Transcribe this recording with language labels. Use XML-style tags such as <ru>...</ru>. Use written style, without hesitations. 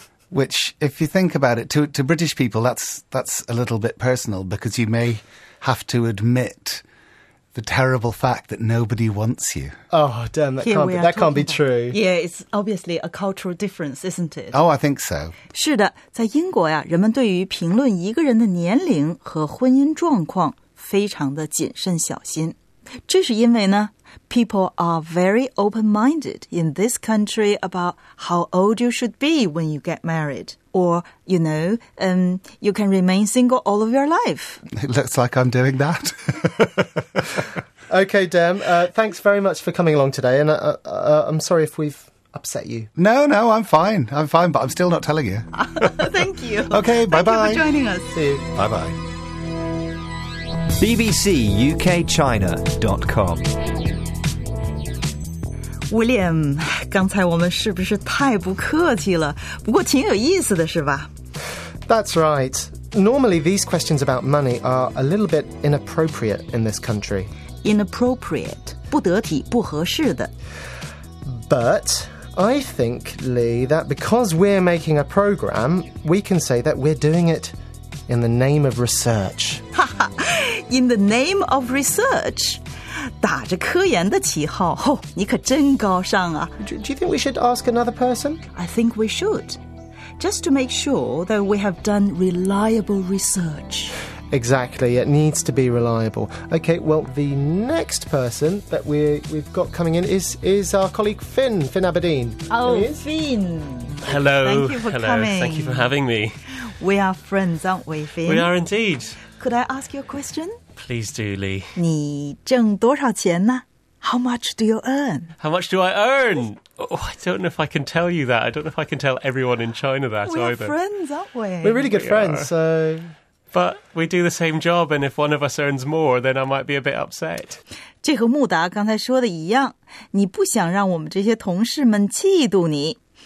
<en>Which, if you think about it, to British people, that's a little bit personal because you may have to admit... The terrible fact that nobody wants you. Oh, damn, that can't be true. Yeah, it's obviously a cultural difference, isn't it? Oh, I think so.</en> <zh>是的，在英国呀，人们对于评论一个人的年龄和婚姻状况非常的谨慎小心。这是因为呢</zh> <en>people are very open-minded in this country about how old you should be when you get married. Or, you know, you can remain single all of your life. It looks like I'm doing that. Okay, Dem, thanks very much for coming along today. And I'm sorry if we've upset you. No, I'm fine, but I'm still not telling you. Thank you. Okay, bye-bye. Thank you for joining us. See you. Bye-bye. BBC UK China.com</en> <zh>William, 刚才我们是不是太不客气了？不过挺有意思的是吧？</zh> <en>That's right. Normally, these questions about money are a little bit inappropriate in this country.</en> <zh>Inappropriate, 不得体，不合适的。</zh> <en>But... I think, Lee, that because we're making a program, we can say that we're doing it in the name of research. In the name of research?</en> <zh>打着科研的旗号、</zh> <en>oh,</en> <zh>你可真高尚啊。</zh> <en>Do you think we should ask another person? I think we should. Just to make sure that we have done reliable research. Exactly, it needs to be reliable. Okay, well, the next person that we've got coming in is our colleague Finn Aberdeen. Oh, Finn. Hello. Thank you for coming. Thank you for having me. We are friends, aren't we, Finn? We are indeed. Could I ask you a question? Please do, Lee.</en> <zh>你挣多少钱呢?</zh> <en>How much do you earn? How much do I earn? Oh, I don't know if I can tell you that. I don't know if I can tell everyone in China that either. We are friends, aren't we? We're really good friends, so... But we do the same job, and if one of us earns more, then I might be a bit upset.</en> <zh>这和穆达刚才说的一样，你不想让我们这些同事们嫉妒你。</zh>